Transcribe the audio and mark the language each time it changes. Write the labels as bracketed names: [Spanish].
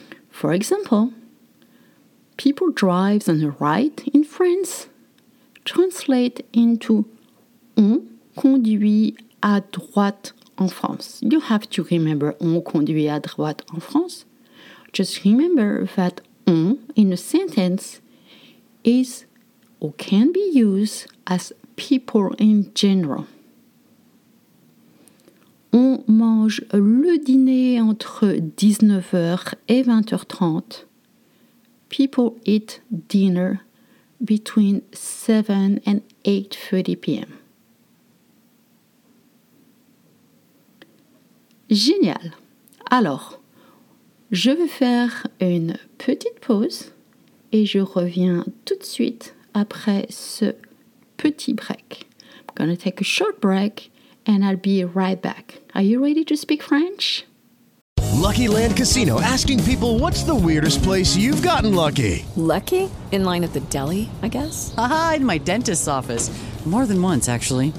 [English] For example, people drive on the right in France translate into [French] on conduit à droite en France. [English] You have to remember [French] on conduit à droite en France. [English] Just remember that on in a sentence is or can be used as people in general. [French] On mange le dîner entre 19h et 20h30. [English] People eat dinner between 7 and 8:30 p.m. [French] Génial. Alors, je vais faire une petite pause et je reviens tout de suite après ce petit break. [English] I'm going to take a short break and I'll be right back. Are you ready to speak French? Lucky Land Casino, asking people, what's the weirdest place you've gotten lucky? Lucky? In line at the deli, I guess? Aha, in my dentist's office. More than once, actually.